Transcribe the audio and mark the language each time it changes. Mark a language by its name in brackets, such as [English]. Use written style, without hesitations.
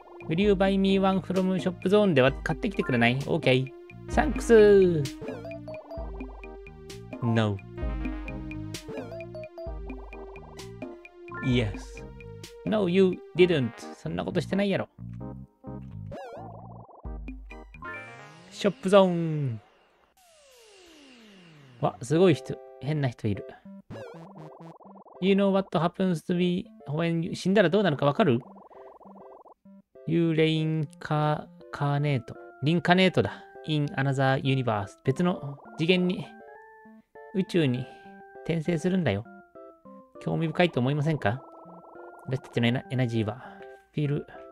[English] Will you buy me one from shop zone? [Japanese] では買ってきてくれない？ [English] Okay! Thanks! No. Yes. No, you didn't. [Japanese] そんなことしてないやろ。ショップゾーン。わ、すごい人、変な人いる。 [English] You know what happens to me when you... [Japanese] 死んだらどうなるかわかる？ [English] You reincarnate. Reincarnate だ。 In another universe. [Japanese] 別の次元に、宇宙に転生するんだよ。興味深いと思いませんか？私たちのエナジーは、filtered。